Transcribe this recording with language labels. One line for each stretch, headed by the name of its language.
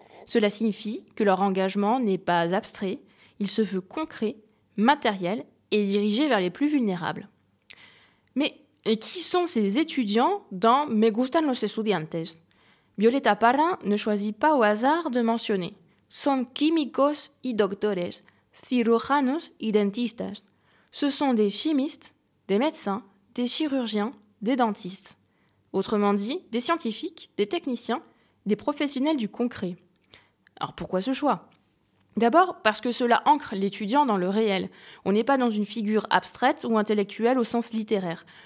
French: Cela signifie que leur engagement n'est pas abstrait, il se veut concret, matériel et dirigé vers les plus vulnérables. Mais qui sont ces étudiants dans Me gustan los estudiantes? Violeta Parra ne choisit pas au hasard de mentionner.
Spanish: Son químicos y doctores, cirujanos y dentistas.
French: Ce sont des chimistes, des médecins, des chirurgiens, des dentistes. Autrement dit, des scientifiques, des techniciens, des professionnels du concret. Alors pourquoi ce choix? D'abord parce que cela ancre l'étudiant dans le réel. On n'est pas dans une figure abstraite ou intellectuelle au sens littéraire.